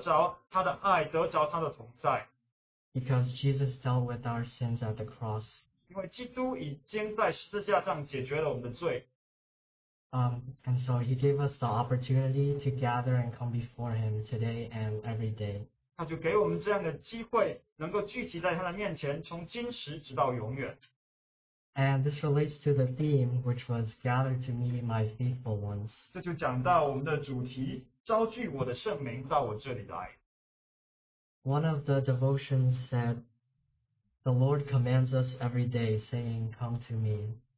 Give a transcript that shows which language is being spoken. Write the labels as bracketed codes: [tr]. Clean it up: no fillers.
[zh] 我们也不需要靠着自己来得着他的爱，得着他的同在。 [en] Because Jesus dealt with our sins at the cross. [zh] 因为基督已经在十字架上解决了我们的罪。 [en] And so he gave us the opportunity to gather and come before him today and every day. [zh] 他就给我们这样的机会，能够聚集在他的面前，从今时直到永远。 [en] And this relates to the theme, which was gather to me my faithful ones. [zh] 这就讲到我们的主题，招聚我的圣灵到我这里来。 [en] One of the devotions said, the Lord commands us every day, saying, come to me.